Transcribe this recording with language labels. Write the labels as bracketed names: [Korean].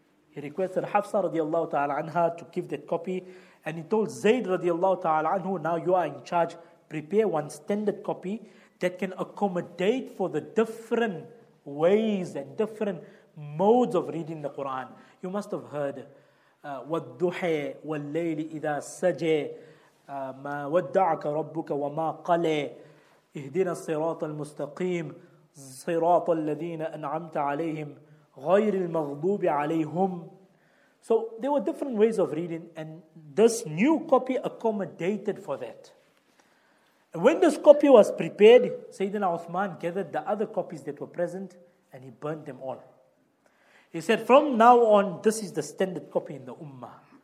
[English] He requested Hafsa radiallahu ta'ala anha to give that copy. And he told Zayd radiallahu ta'ala anhu, now you are in charge, prepare one standard copy that can accommodate for the different ways and different modes of reading the Quran. You must have heard, [Arabic] وَالْدُّحَى وَاللَّيْلِ إِذَا سَجَى مَا وَدَّعَكَ رَبُّكَ وَمَا قَلَى اِهْدِنَا الصِّرَاطَ الْمُسْتَقِيمِ صِرَاطَ الَّذِينَ أَنْعَمْتَ عَلَيْهِمْ غَيْرِ الْمَغْضُوبِ عَلَيْهُمْ. [English] So there were different ways of reading, and this new copy accommodated for that. When this copy was prepared, Sayyidina Uthman gathered the other copies that were present and he burned them all. He said, from now on, this is the standard copy in the Ummah.